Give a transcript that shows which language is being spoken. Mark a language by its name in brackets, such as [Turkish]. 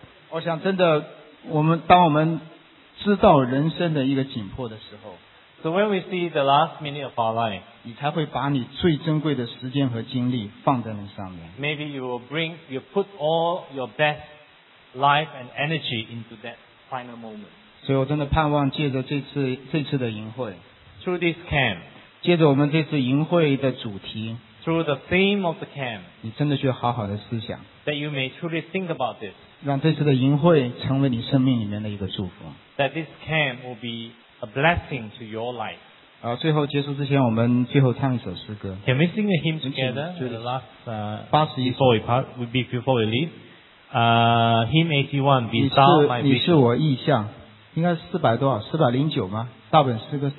[Chinese] 我想真的当我们知道人生的一个紧迫的时候。 [English] So when we see the last minute of our life, [Chinese] 你才会把你最珍贵的时间和精力放在那上面。 [English] Maybe you will bring, you put all your best life and energy into that final moment. [Chinese] 所以我真的盼望借着这次的营会 [English] ,through this camp, [Chinese] 借着我们这次营会的主题 [English] ,through the theme of the camp, [Chinese] 你真的需要好好的思想 [English] ,that you may truly think about this, [Chinese] 让这次的营会成为你生命里面的一个祝福 [English] ,that this camp will bebe a blessing to your life. [Chinese] 最后结束之前我们最后唱一首诗歌。 [English] Can we sing a hymn together? To the last, 81 before we leave. Hymn 81, Be Thou My Vision. [Chinese] 你是我意象。应该是400多少 ?409 吗大本诗歌409。